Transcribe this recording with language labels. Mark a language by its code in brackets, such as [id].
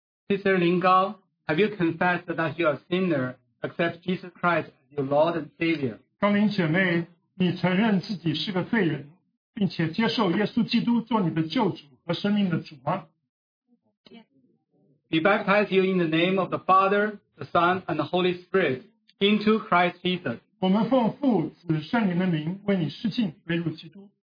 [en] Sister Ling Gao, have you confessed that you are a sinner, accept Jesus Christ as your Lord and Savior? [zh] 高林姐妹，你承认自己是个罪人，并且接受耶稣基督做你的救主和生命的主吗？ [en] We baptize you in the name of the Father, the Son, and the Holy Spirit into Christ Jesus. [zh] 我们奉父子圣灵的名为你施浸，归入基督。